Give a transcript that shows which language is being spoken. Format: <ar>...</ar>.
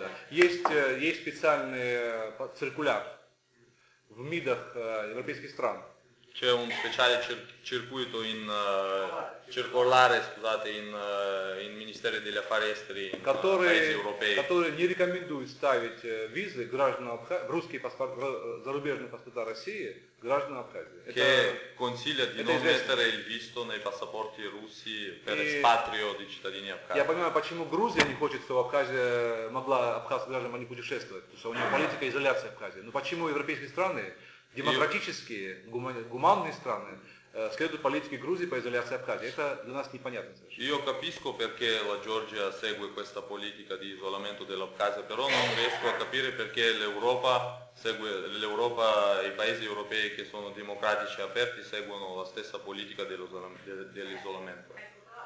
<ru>Есть специальный циркуляр в МИДах европейских стран.</ru> <it>C'è un speciale circuito in circolare, scusate, in Ministero degli Affari Esteri in paesi europei.</it> <ru>Который не рекомендует ставить визы гражданам Абхазии, русские паспорта, зарубежные паспорта России гражданам Абхазии.</ru> <it>Che consiglia di non mettere il visto nei passaporti russi per espatrio di cittadini abkhazi.</it> <ru>Я понимаю, почему Грузия не хочет, чтобы Абхазия могла абхазские граждане не путешествовать, потому что у нее политика изоляции Абхазии. Но почему европейские страны демократические, гуманные страны следуют политике Грузии по изоляции Абхазии. Это для нас непонятно.</ru> <it>Io capisco perché la Georgia segue questa politica di isolamento dell'Abkhazia, però non riesco a capire perché l'Europa segue l'Europa i paesi europei che sono democratici e aperti seguono la stessa politica dell'isolamento.</it>